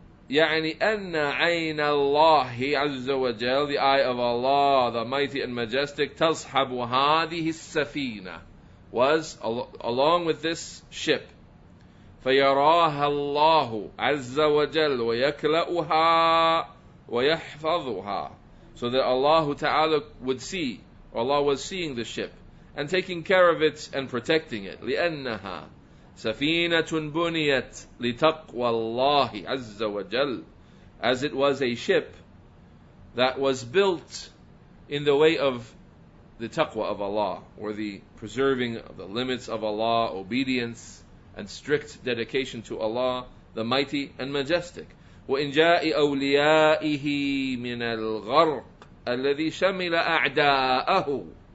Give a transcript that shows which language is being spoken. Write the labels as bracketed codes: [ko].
[ar] يعني أن عين الله عز وجل, [en] the eye of Allah, the mighty and majestic, [ar] تصحب هذه السفينة, [en] was along with this ship. [ar] فيراها الله عز وجل ويكلأها ويحفظها. [en] So that Allah Ta'ala would see, or Allah was seeing the ship and taking care of it and protecting it. [ar] لأنها سفينة بنيت لتقوى الله عز وجل. [en] As it was a ship that was built in the way of the taqwa of Allah, or the preserving of the limits of Allah, obedience and strict dedication to Allah, the Mighty and Majestic. [ar] وَإِنْ جَاءِ أَوْلِيَائِهِ مِنَ الْغَرْقِ الَّذِي شَمِلَ أَعْدَاءَهُ.